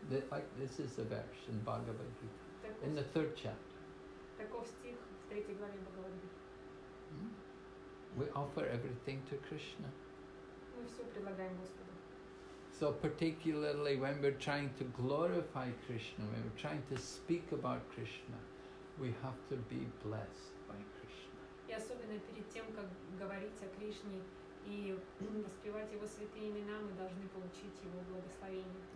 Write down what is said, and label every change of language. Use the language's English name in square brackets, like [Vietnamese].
[English] Like this is the verse in Bhagavad Gita, in the third chapter. [Russian] Таков стих в третьей главе Бхагавадгиты. [English] We offer everything to Krishna. [Russian] Мы все предлагаем Господу. [English] So particularly when we're trying to glorify Krishna, when we're trying to speak about Krishna, we have to be blessed by Krishna. [Russian] И особенно перед тем, как говорить о Кришне и воспевать его святые имена, мы должны получить его благословение.